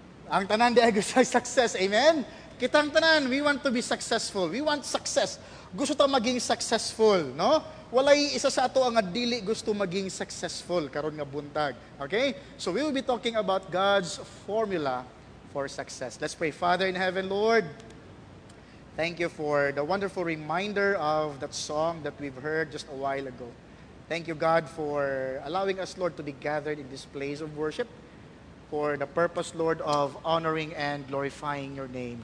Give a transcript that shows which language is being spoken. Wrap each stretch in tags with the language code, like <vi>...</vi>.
<ceb>Ang tanan di ay gusto success, amen? Kita ang tanan,</ceb> <en>we want to be successful. We want success.</en> <ceb>Gusto ta maging</ceb> <en>successful, no?</en> <ceb>Walay isa sa ato ang dili gusto maging successful, karon nga buntag.</ceb> <en>Okay? So we will be talking about God's formula for success. Let's pray. Father in heaven, Lord, thank you for the wonderful reminder of that song that we've heard just a while ago. Thank you, God, for allowing us, Lord, to be gathered in this place of worship for the purpose, Lord, of honoring and glorifying your name.</en>